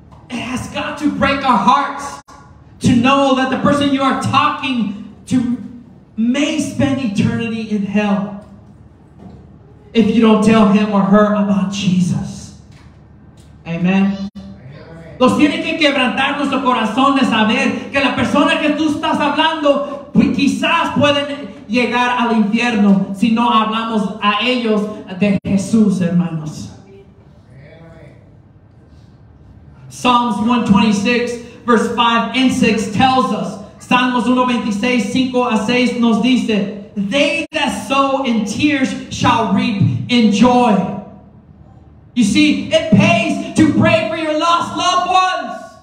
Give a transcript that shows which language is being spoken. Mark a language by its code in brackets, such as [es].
[en] It has got to break our hearts to know that the person you are talking to may spend eternity in hell if you don't tell him or her about Jesus. Amen. [es] Nos tiene que quebrantar nuestro corazón de saber que la persona que tú estás hablando quizás pueden llegar al infierno si no hablamos a ellos de Jesús, hermanos. [en] Psalms 126, verse 5 and 6 tells us, [es] Salmos 126, 5 a 6 nos dice, [en] they that sow in tears shall reap in joy. You see, it pays to pray for your lost loved ones.